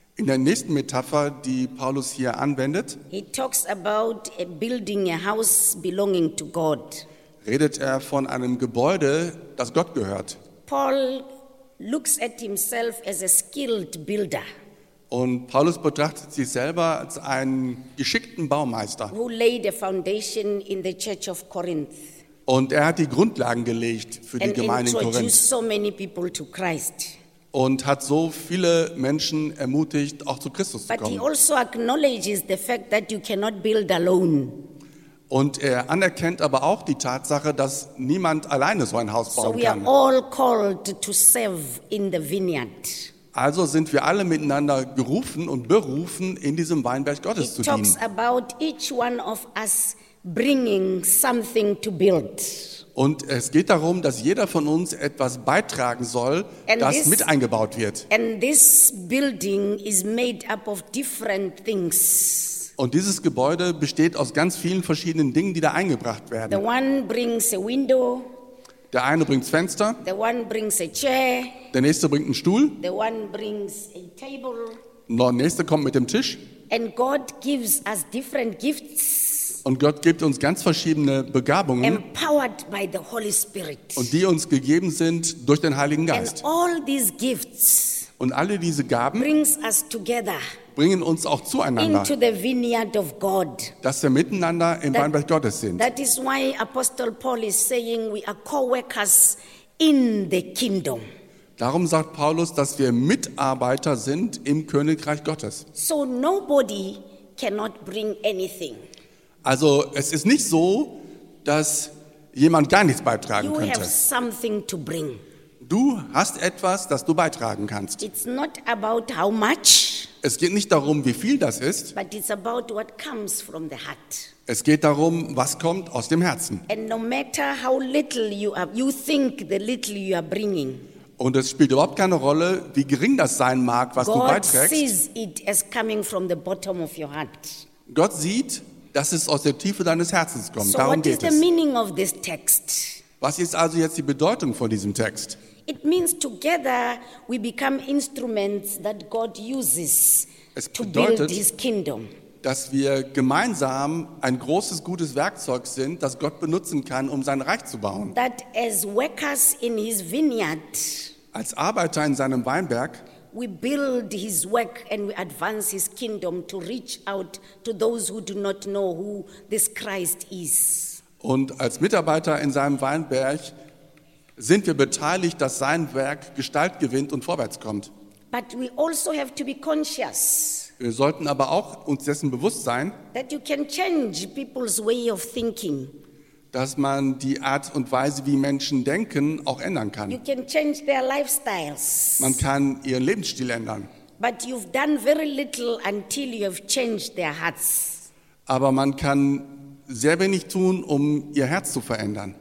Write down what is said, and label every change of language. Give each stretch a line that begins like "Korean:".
German: In der nächsten Metapher, die Paulus hier anwendet,
English: he talks about building a house belonging to God.
German: Redet er von einem Gebäude, das Gott gehört.
English: Paul looks at himself as a skilled builder.
German: Und Paulus betrachtet sich selber als einen geschickten Baumeister.
English: Who laid a foundation in the church of Corinth.
German: Und er hat die Grundlagen gelegt für die Gemeinde in Korinth.
English: So many people to Christ.
German: Und hat so viele Menschen ermutigt, auch zu Christus zu kommen.
English: But he also acknowledges the fact that you cannot build alone.
German: Und er anerkennt aber auch die Tatsache, dass niemand alleine so ein Haus bauen kann.
English: So we are all called to serve in the vineyard.
German: Also sind wir alle miteinander gerufen und berufen, in diesem Weinberg Gottes zu dienen.
English: He talks about each one of us bringing something to build.
German: Und es geht darum, dass jeder von uns etwas beitragen soll, das mit eingebaut wird.
English: And this building is made up of different things.
German: Und dieses Gebäude besteht aus ganz vielen verschiedenen Dingen, die da eingebracht werden.
English: The one brings a window.
German: Der eine bringt Fenster.
English: The one brings a chair.
German: Der nächste bringt einen Stuhl.
English: The one brings a table.
German: Der nächste kommt mit dem Tisch.
English: And God gives us different gifts.
German: Und Gott gibt uns ganz verschiedene Begabungen.
English: Empowered by the Holy Spirit.
German: Und die uns gegeben sind durch den Heiligen Geist.
English: And all these gifts.
German: Und alle diese Gaben
English: brings us together.
German: Bringen uns auch zueinander.
English: Into the vineyard of God.
German: Dass wir miteinander im Weinberg Gottes sind.
English: That is why Apostle Paul is saying we are co-workers in the kingdom.
German: Darum sagt Paulus, dass wir Mitarbeiter sind im Königreich Gottes.
English: So nobody cannot bring anything.
German: Also es ist nicht so, dass jemand gar nichts beitragen
English: you
German: könnte.
English: You have something to bring.
German: Du hast etwas, das du beitragen kannst.
English: It's not about how much.
German: Es geht nicht darum, wie viel das ist.
English: But it's about what comes from the heart.
German: Es geht darum, was kommt aus dem Herzen.
English: And no matter how little you are, you think the little you are bringing.
German: Und es spielt überhaupt keine Rolle, wie gering das sein mag, was
English: God
German: du beiträgst.
English: God sees it as coming from the bottom of your heart.
German: Gott sieht, dass es aus der Tiefe deines Herzens kommt.
English: So
German: darum
English: what
German: geht
English: is
German: es.
English: The meaning of this text?
German: Was ist also jetzt die Bedeutung von diesem Text?
English: It means together we become instruments that God uses to build his kingdom.
German: Es bedeutet, dass wir gemeinsam ein großes, gutes Werkzeug sind, das Gott benutzen kann, um sein Reich zu bauen.
English: That as workers in his vineyard,
German: als Arbeiter in seinem Weinberg,
English: we build his work and we advance his kingdom to reach out to those who do not know who this Christ is.
German: Und als Mitarbeiter in seinem Weinberg sind wir beteiligt, dass sein Werk Gestalt gewinnt und vorwärts kommt.
English: But we also have to be conscious,
German: wir sollten aber auch uns dessen bewusst sein,
English: that you can change people's way of thinking.
German: Dass man die Art und Weise, wie Menschen denken, auch ändern kann.
English: You can change their lifestyles.
German: Man kann ihren Lebensstil ändern.
English: But you've done very little until you've changed their hearts.
German: Aber man kann sehr wenig tun, um ihr Herz zu verändern.